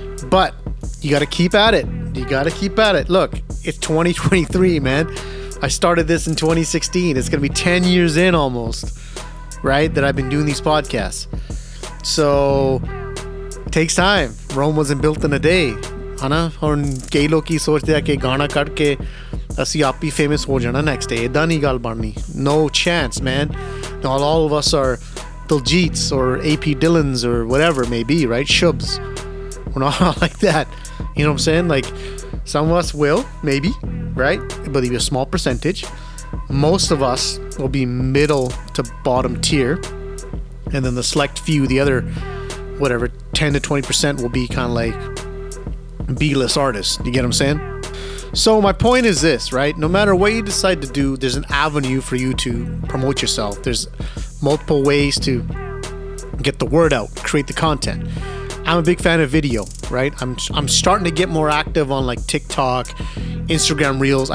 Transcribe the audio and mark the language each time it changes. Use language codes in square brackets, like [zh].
[en] But you gotta keep at it. You gotta keep at it. Look, it's 2023, man. I started this in 2016. It's gonna be 10 years in almost, right, that I've been doing these podcasts. So it takes time. Rome wasn't built in a day. [pa] ਹਨਾ ਹੁਣ ਕਈ ਲੋਕ ਸੋਚਦੇ ਆ ਕਿ ਗਾਣਾ ਕੱਢ ਕੇ ਅਸੀਂ ਆਪ ਹੀ ਫੇਮਸ ਹੋ ਜਾਣਾ ਨੈਕਸਟ ਡੇ, ਇੱਦਾਂ ਨਹੀਂ ਗੱਲ ਬਣਨੀ. [en] No chance man. Not all of us R ਦਲਜੀਤਸ ਔਰ ਏ ਪੀ ਡਿਲਨਸ ਔਰ whatever may be, right, ਸ਼ਬਸ, not all like that, you know Aam saying, like some of us will may be, right, but it will be a small percentage. Most of us will be middle to bottom tier, and then the select few, the other whatever 10-20% will be kind like B-list artist. You get what I'm saying? So my point is this, right? No matter what you decide to do, there's an avenue for you to promote yourself. There's multiple ways to get the word out, create the content. I'm a big fan of video, right? I'm starting to get more active on like TikTok, Instagram Reels.